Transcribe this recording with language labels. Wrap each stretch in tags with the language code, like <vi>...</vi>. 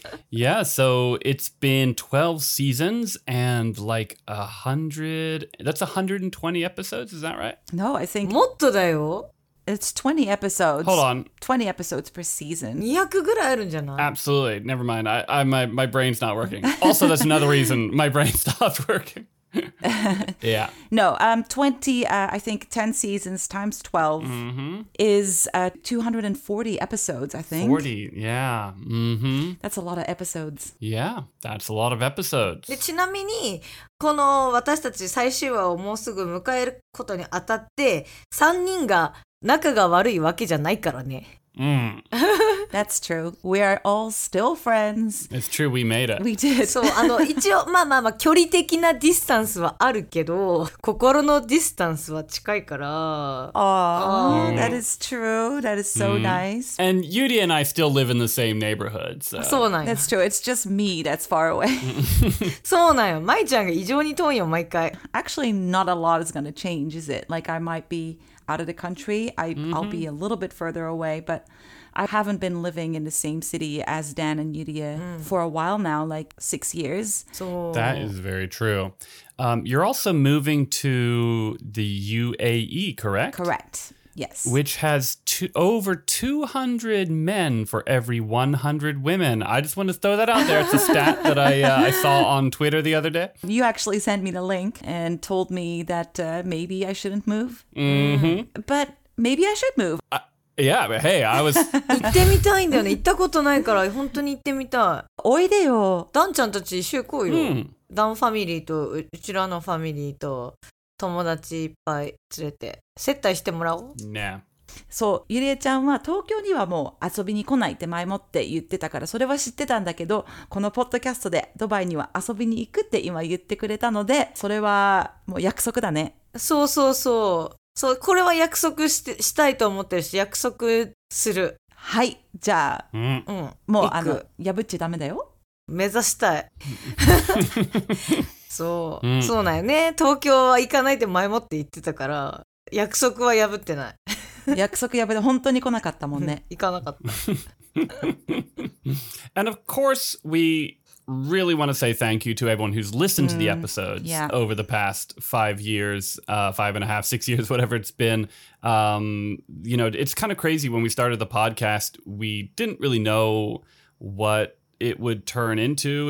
<en>Yeah, so it's been 12 seasons and like 100... That's 120 episodes, is that right? No, I think...</en> <ja>もっとだよ。</ja> <en>It's 20 episodes. Hold on. 20 episodes per season.</en> <ja>200ぐらいあるんじゃない?</ja> <en>Absolutely. Never mind. My brain's not working. Also, that's another reason my brain stopped working. Yeah. No, 20, I think 10 seasons times 12 is 240 episodes, I think. 40, yeah. That's a lot of episodes. Yeah, that's a lot of episodes.</en> <ja>で、ちなみに、この私たち最終話をもうすぐ迎えることにあたって、3人が仲が悪いわけじゃないからね。</ja> <en>That's true. We are all still friends. It's true. We made it. We did.</en> <ja>そう、あの、一応、まあまあまあ、距離的なディスタンスはあるけど、心のディスタンスは近いから。</ja> <en>That is true. That is so nice. And Yuri and I still live in the same neighborhood. So.</en> <ja>そうなんよ。</ja> <en>That's true. It's just me that's far away.</en> <ja>そうなんよ。舞ちゃんが異常に遠いよ、毎回。</ja> <en>Actually, not a lot is going to change, is it? Like, I might be... out of the country, I'll be a little bit further away, but I haven't been living in the same city as Dan and Yuria for a while now, like 6 years. So that is very true. You're also moving to the UAE, correct? Correct, yes. Which has over 200 men for every 100 women. I just want to throw that out there. It's a stat that I saw on Twitter the other day. You actually sent me the link and told me that maybe I shouldn't move. But maybe I should move. Yeah, but hey, I was...</en> <ja>行ってみたいんだよね。行ったことないから本当に行ってみたい。おいでよ。ダンちゃんたち一緒に来いよ。ダンファミリーとうちらのファミリーと友達いっぱい連れて接待してもらおう。ねえ。そう、ゆりえちゃんは東京にはもう遊びに来ないって前もって言ってたからそれは知ってたんだけど、このポッドキャストでドバイには遊びに行くって今言ってくれたので、それはもう約束だね。そうそうそう、そう、これは約束したいと思ってるし約束する。はい、じゃあ、もうあの破っちゃダメだよ。目指したい。そう、そうなんよね。東京は行かないって前もって言ってたから約束は破ってない。約束破って本当に来なかったもんね。行かなかった。</ja> <en>And of course, we really want to say thank you to everyone who's listened to the episodes over the past 5 years, five and a half, 6 years, whatever it's been. You know, it's kind of crazy. When we started the podcast, we didn't really know what it would turn into.</en>